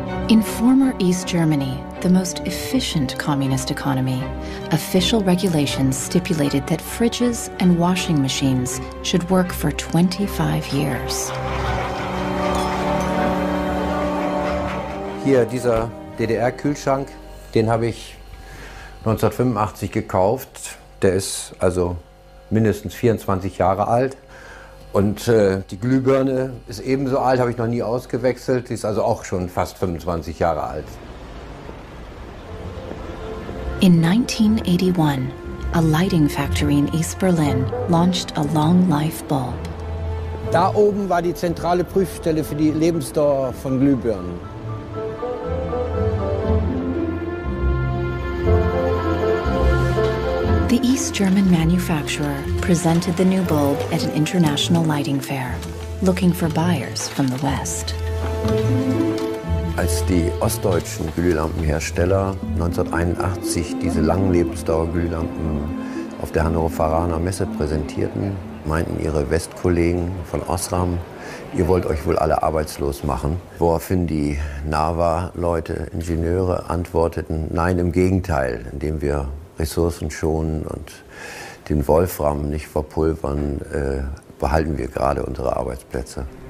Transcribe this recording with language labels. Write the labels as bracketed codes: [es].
[en] In former East Germany, the most efficient communist economy, official regulations stipulated that fridges and washing machines should work for 25 years. [de] Hier, dieser DDR-Kühlschrank, den habe ich 1985 gekauft. Der ist also mindestens 24 Jahre alt. Und die Glühbirne ist ebenso alt, habe ich noch nie ausgewechselt, die ist also auch schon fast 25 Jahre alt. [en] In 1981, a lighting factory in East Berlin launched a long life bulb. [de] Da oben war die zentrale Prüfstelle für die Lebensdauer von Glühbirnen. [en] The East German manufacturer presented the new bulb at an international lighting fair, looking for buyers from the West. [de] Als die ostdeutschen Glühlampenhersteller 1981 diese langen Lebensdauerglühlampen auf der Hannoveraner Messe präsentierten, meinten ihre Westkollegen von Osram, ihr wollt euch wohl alle arbeitslos machen. Woraufhin die NAVA-Leute, Ingenieure, antworteten, nein, im Gegenteil, indem wir Ressourcen schonen und den Wolfram nicht verpulvern, behalten wir gerade unsere Arbeitsplätze.